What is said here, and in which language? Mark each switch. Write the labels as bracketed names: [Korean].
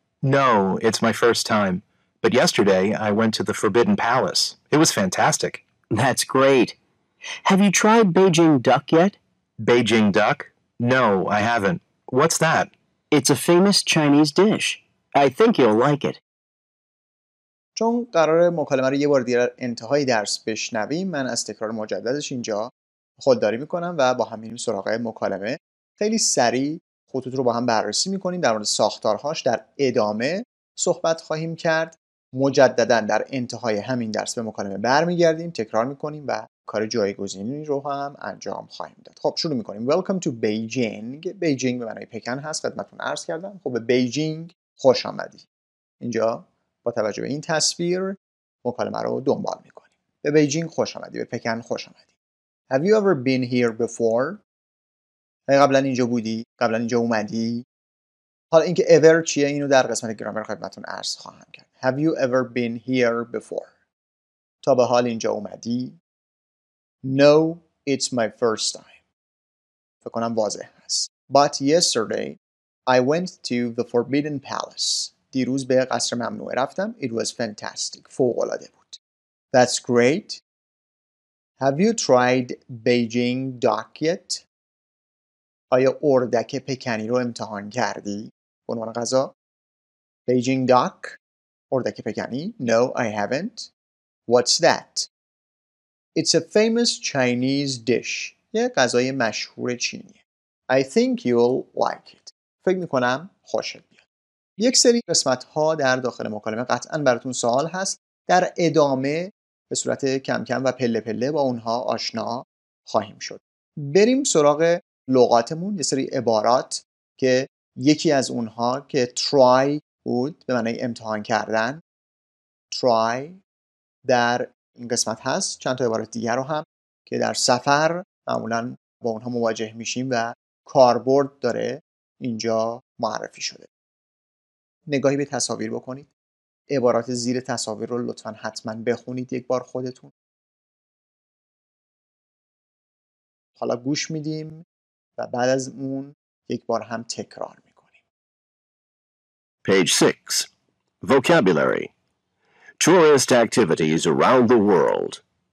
[English] No, it's my first time. But yesterday I went to the Forbidden Palace. It was fantastic. That's great. Have you tried Beijing duck yet? Beijing duck? No, I haven't. What's that? It's a famous Chinese dish. I think you'll like it. [Persian] چون قراره مکالمه رو یه بار دیگر انتهای درس بشنویم، من از تکرار مجددش اینجا خودداری میکنم و با هم میریم سراغ مکالمه. خیلی سریع خطوط رو با هم بررسی میکنیم. در مورد ساختارهاش در ادامه صحبت خواهیم کرد. مجدداً در انتهای همین درس به مکالمه برمیگردیم، تکرار میکنیم و کار جایگزینی رو هم انجام خواهیم داد. خب شروع میکنیم. [English] Welcome to Beijing. [Persian] Beijing به معنی پکن هست، خدمتتون عرض کردم. خب به بیجینگ خوش آمدی. اینجا با توجه به این تصویر مکالمه رو دنبال میکنیم. به بیجینگ خوش آمدی، به پکن خوش آمدی. [English] Have you ever been here before؟ [Persian] قبلا اینجا بودی؟ قبلا اینجا اومدی؟ حالا اینکه ever چیه اینو در قسمت گرامر خدمتتون عرض خواهم کرد. [English] Have you ever been here before? [Persian] تا به حال اینجا اومدی؟ [English] No, it's my first time. [Persian] فکر کنم واضح هست. [English] But yesterday, I went to the Forbidden Palace. [Persian] دیروز به قصر ممنوع رفتم. [English] It was fantastic. [Persian] فوق‌العاده بود. [English] That's great. Have you tried Beijing duck yet? [Persian] آیا اردک پکنی رو امتحان کردی؟ به عنوان غذا؟ [English] Beijing duck? [Persian] اردک پکنی؟ [English] No, I haven't. What's that? It's a famous Chinese dish. [Persian] یه غذای مشهور چینیه. [English] I think you'll like it. [Persian] فکر میکنم خوشت بیاد. یک سری قسمت‌ها در داخل مکالمه قطعاً براتون سوال هست. در ادامه به صورت کم کم و پله پله با اونها آشنا خواهیم شد. بریم سراغ لغاتمون. یه سری عبارات که یکی از اونها که try بود به معنی امتحان کردن، try در این قسمت هست. چند تا عبارت دیگر رو هم که در سفر معمولا با اونها مواجه میشیم و کاربرد داره اینجا معرفی شده. نگاهی به تصاویر بکنید. عبارات زیر تصاویر رو لطفا حتما بخونید یک بار خودتون. حالا گوش میدیم و بعد از اون یک بار هم تکرار. [English] Page 6. Vocabulary. Tourist activities around the world.